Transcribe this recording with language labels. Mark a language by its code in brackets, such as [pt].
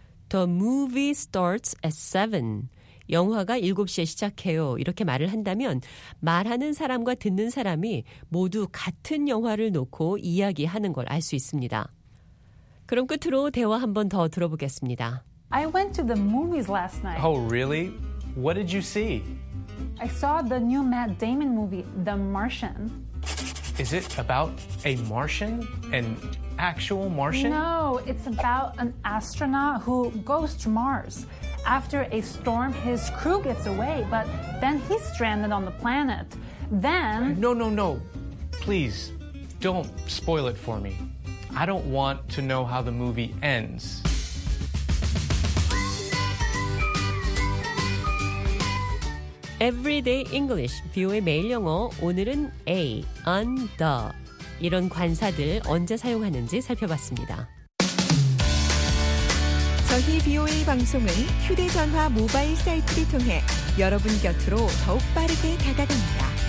[en] The movie starts at 7. [ko] 영화가 7시에 시작해요. 이렇게 말을 한다면 말하는 사람과 듣는 사람이 모두 같은 영화를 놓고 이야기하는 걸 알 수 있습니다. 그럼 끝으로 대화 한 번 더 들어보겠습니다. [en] I went to the movies last night. Oh, really? What did you see? I saw the new Matt Damon movie, The Martian. Is it about a Martian? An actual Martian? No, it's about an astronaut who goes to Mars. After a storm, his crew gets away, but then he's stranded on the planet. Then... No, no, no. Please, don't spoil it for me. I don't want to know how the movie ends. [ko] 에브리데이 잉글리시, 뷰의 매일 영어, 오늘은 A, an, the 이런 관사들 언제 사용하는지 살펴봤습니다. 저희 VOA 방송은 휴대전화 모바일 사이트를 통해 여러분 곁으로 더욱 빠르게 다가갑니다.